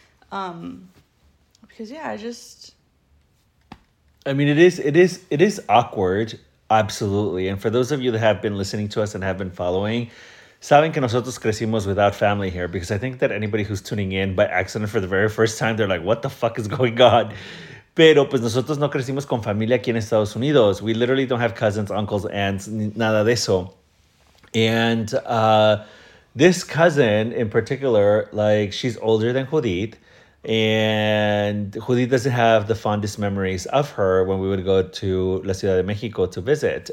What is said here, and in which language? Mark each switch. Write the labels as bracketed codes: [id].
[en] because yeah, I mean it is awkward. Absolutely. And for those of you that have been listening to us and have been following, [es] saben que nosotros crecimos [en] without family here, because I think that anybody who's tuning in by accident for the very first time, they're like, what the fuck is going on? [es] Pero pues nosotros no crecimos con familia aquí en Estados Unidos. [en] We literally don't have cousins, uncles, aunts, [es] nada de eso. [en] And this cousin in particular, like, she's older than Judith. And Judith doesn't have the fondest memories of her when we would go to La Ciudad de Mexico to visit.